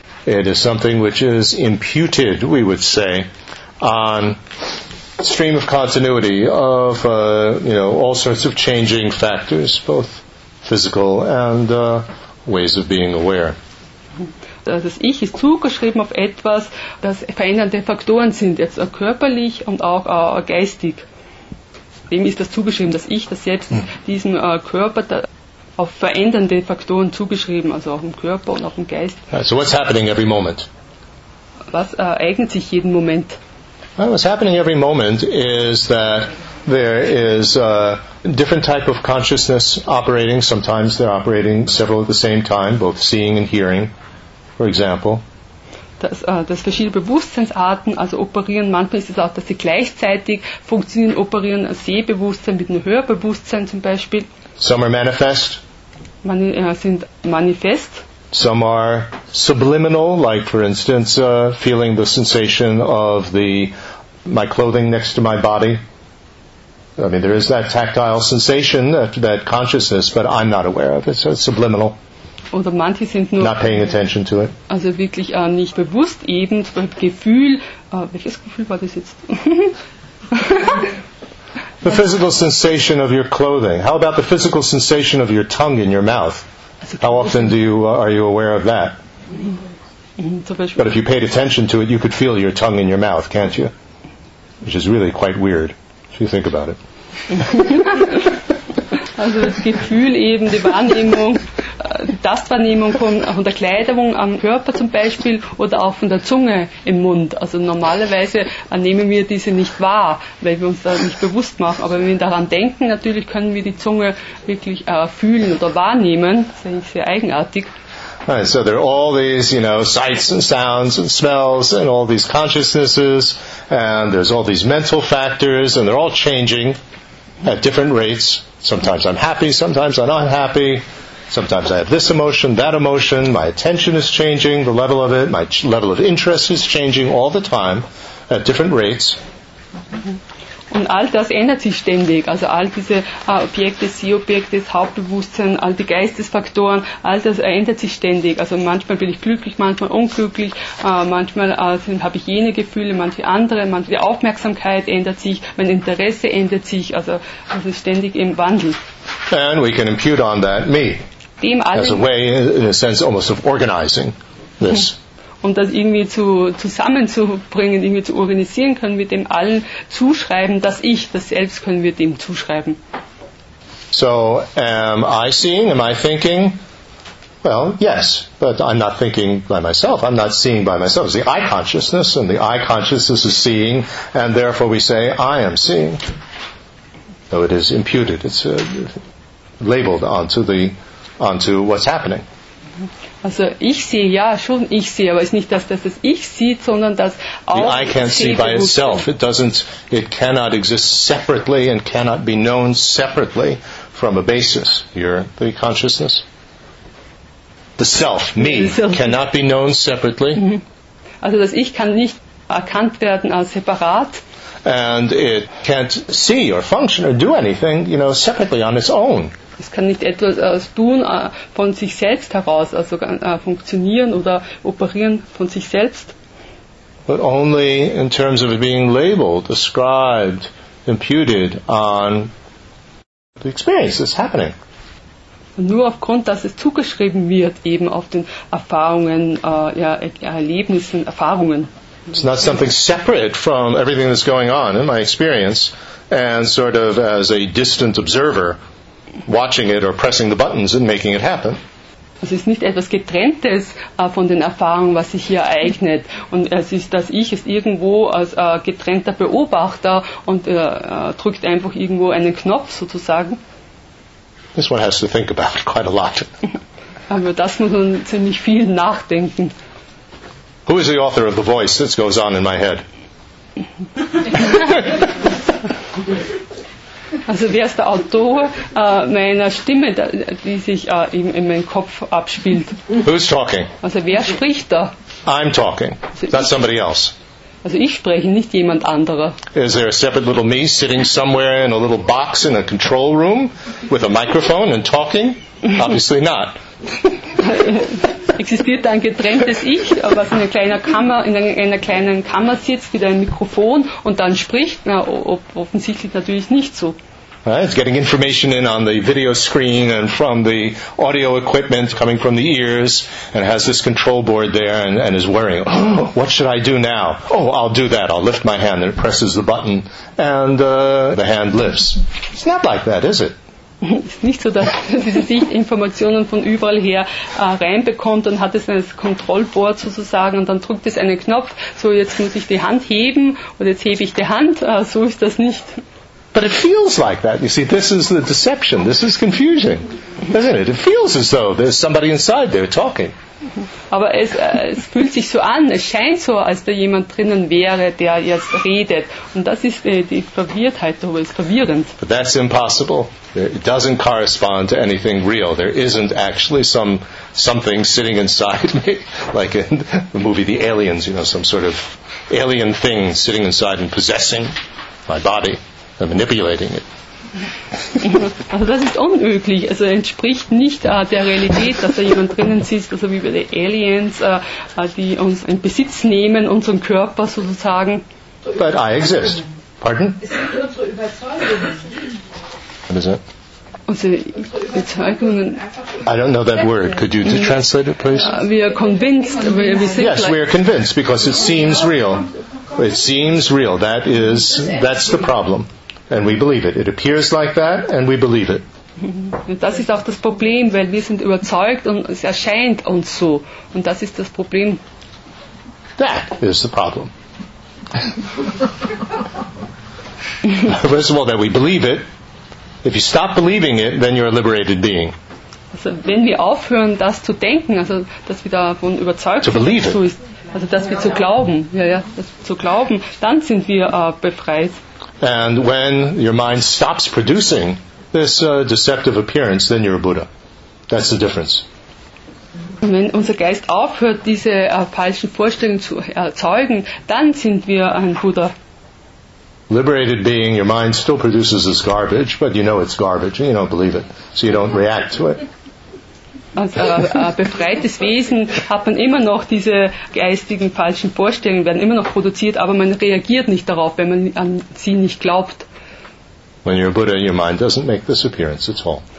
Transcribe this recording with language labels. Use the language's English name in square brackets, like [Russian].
[English] It is something which is imputed, we would say, on stream of continuity of all sorts of changing factors, both physical and ways of being aware. [German] Das Ich ist zugeschrieben auf etwas, das verändernde Faktoren sind, jetzt körperlich und auch geistig. Wem ist das zugeschrieben, das Ich, das Selbst, diesem Körper, da auf verändernde Faktoren zugeschrieben, also auch im Körper und auch im Geist. [English] So what's happening every moment? [German] Was ereignet sich jeden Moment? [English] Well, what's happening every moment is that there is a different type of consciousness operating. Sometimes they're operating several at the same time, both seeing and hearing, for example. [German] Dass verschiedene Bewusstseinsarten also operieren. Manchmal ist es auch, dass sie gleichzeitig funktionieren, operieren, ein Sehbewusstsein mit einem Hörbewusstsein zum Beispiel. [English] Some are manifest. [German] Sind manifest. [English] Some are subliminal, like for instance, feeling the sensation of my clothing next to my body. I mean, there is that tactile sensation, that consciousness, but I'm not aware of it, so it's subliminal. [German] Oder manche sind nur [English] not paying attention to it. [German] Also wirklich nicht bewusst eben, zum Beispiel Gefühl. Welches Gefühl war das jetzt? [English] The physical sensation of your clothing. How about the physical sensation of your tongue in your mouth? How often are you aware of that? But if you paid attention to it, you could feel your tongue in your mouth, can't you? Which is really quite weird, if you think about it. [German] Also das Gefühl eben, die Wahrnehmung, Tastwahrnehmung von der Kleidung am Körper zum Beispiel oder auch von der Zunge im Mund. Also normalerweise nehmen wir diese nicht wahr, weil wir uns da nicht bewusst machen. Aber wenn wir daran denken, natürlich können wir die Zunge wirklich fühlen oder wahrnehmen. Das ist sehr eigenartig. [English] Right, so there are all these, you know, sights and sounds and smells and all these consciousnesses, and there's all these mental factors, and they're all changing at different rates. Sometimes I'm happy, sometimes I'm unhappy. Sometimes I have this emotion, that emotion. My attention is changing, the level of it. My level of interest is changing all the time at different rates. [German] Und all das ändert sich ständig. Also all diese Objekte, Sehobjekte, Hauptbewusstsein, all die Geistesfaktoren, all das ändert sich ständig. Also manchmal bin ich glücklich, manchmal unglücklich, manchmal habe ich jene Gefühle, manche andere, manche Aufmerksamkeit ändert sich, mein Interesse ändert sich, also es ist ständig im Wandel. [English] And we can impute on that me. As a way, in a sense, almost of organizing this. [German] Um das irgendwie zusammenzubringen, irgendwie zu organisieren, können wir dem allen zuschreiben, dass ich, das selbst können wir dem zuschreiben. [English] So, am I seeing, am I thinking? Well, yes, but I'm not thinking by myself. I'm not seeing by myself. It's the I consciousness, and the I consciousness is seeing, and therefore we say, I am seeing. Though it is imputed, it's labeled onto what's happening. [German] Also ich sehe, ja, schon ich sehe, aber es ist nicht das, dass es ich sieht, sondern dass auch [English] I can't see by itself. It doesn't, it cannot exist separately and cannot be known separately from a basis. You're the consciousness. The self, me, cannot be known separately. [German] Also das Ich kann nicht erkannt werden als separat. [English] And it can't see or function or do anything, you know, separately on its own. [German] Es kann nicht etwas tun von sich selbst heraus, also funktionieren oder operieren von sich selbst. [English] But only in terms of it being labeled, ascribed, imputed on the experience that's happening. [German] Nur aufgrund, dass es zugeschrieben wird, eben auf den Erfahrungen, Erlebnissen, Erfahrungen. [English] It's not something separate from everything that's going on in my experience and sort of as a distant observer. Watching it or pressing the buttons and making it happen. [German] Es ist nicht etwas Getrenntes von den Erfahrungen, was sich hier ereignet. Und es ist, dass ich es irgendwo als getrennter Beobachter und drückt einfach irgendwo einen Knopf sozusagen. [English] This one has to think about quite a lot. [German] Aber das muss man ziemlich viel nachdenken. [English] Who is the author of the voice that goes on in my head? [German] Also wer ist der Autor meiner Stimme, die sich in meinem Kopf abspielt? [English] Who's talking? [German] Also wer spricht da? [English] I'm talking. That's somebody else. [German] Also ich spreche, nicht jemand anderer. [English] Is there a separate little me sitting somewhere in a little box in a control room with a microphone and talking? Obviously not. [German] Existiert ein getrenntes Ich, was in einer kleinen Kammer, sitzt mit einem Mikrofon und dann spricht? Na, offensichtlich natürlich nicht so. [English] Right, it's getting information in on the video screen and from the audio equipment coming from the ears and has this control board there and is worrying, oh, what should I do now? Oh, I'll do that. I'll lift my hand and it presses the button and the hand lifts. It's not like that, is it? [German] Es ist nicht so, dass diese Sicht Informationen von überall her reinbekommt und hat es ein Kontrollboard sozusagen und dann drückt es einen Knopf, so jetzt muss ich die Hand heben und jetzt hebe ich die Hand, so ist das nicht. [English] But it feels like that, you see, this is the deception, this is confusing, isn't it? It feels as though there's somebody inside there talking. [German] Aber es fühlt sich so an, es scheint so, als da jemand drinnen wäre, der jetzt redet. Und das ist die Verwirrtheit darüber, ist verwirrend. [English] But that's impossible. It doesn't correspond to anything real. There isn't actually something sitting inside me, like in the movie The Aliens, you know, some sort of alien thing sitting inside and possessing my body and manipulating it. [German] Also das ist unmöglich, also entspricht nicht der Realität, dass da jemand drinnen sitzt, also wie bei den Aliens, die uns in Besitz nehmen, unseren Körper sozusagen. [English] But I exist. Pardon? [German] Es sind unsere Überzeugungen. [English] What is it? [German] Unsere Überzeugungen. [English] I don't know that word. Could you translate it, please? We are convinced. Yes, we are convinced, because it seems real. It seems real. That's the problem. And we believe it. It appears like that, and we believe it. [German] Das ist auch das Problem, weil wir sind überzeugt und es erscheint uns so. Und das ist das Problem. [English] That is the problem. First of all, that we believe it. If you stop believing it, then you're a liberated being. [German] Also, wenn wir aufhören, das zu denken, also dass wir davon überzeugt sind, so ist, also dass wir zu glauben, dann sind wir befreit. [English] And when your mind stops producing this deceptive appearance, then you're a Buddha. That's the difference. [German] Wenn unser Geist aufhört, diese falschen Vorstellungen zu erzeugen, dann sind wir ein Buddha. [English] Liberated being, your mind still produces this garbage, but you know it's garbage and you don't believe it, so you don't react to it. [German] Als befreites Wesen hat man immer noch diese geistigen falschen Vorstellungen, werden immer noch produziert, aber man reagiert nicht darauf, wenn man an sie nicht glaubt. [English] When you're a Buddha, your mind doesn't make this appearance at all.